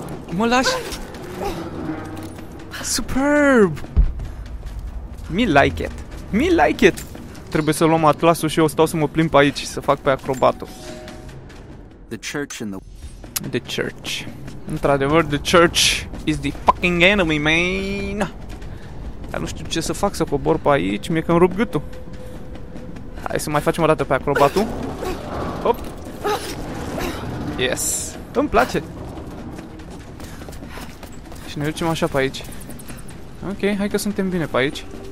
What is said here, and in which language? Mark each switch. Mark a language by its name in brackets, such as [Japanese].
[Romanian] Mă lași? [English] Superb! Me like it! Me like it! [Romanian] Trebuie să luăm atlasul și eu stau să mă plimb pe aici și să fac pe acrobatul. [English] The church. [Romanian] Într-adevăr, [English] the church is the fucking enemy, man. [Romanian] Dar nu știu ce să fac, să cobor pe aici, mie că-mi rup gâtul. Hai să mai facem o dată pe acrobatul. Hop. Yes. Îmi place. Și ne ducem așa pe aici. Ok, hai că suntem bine pe aici.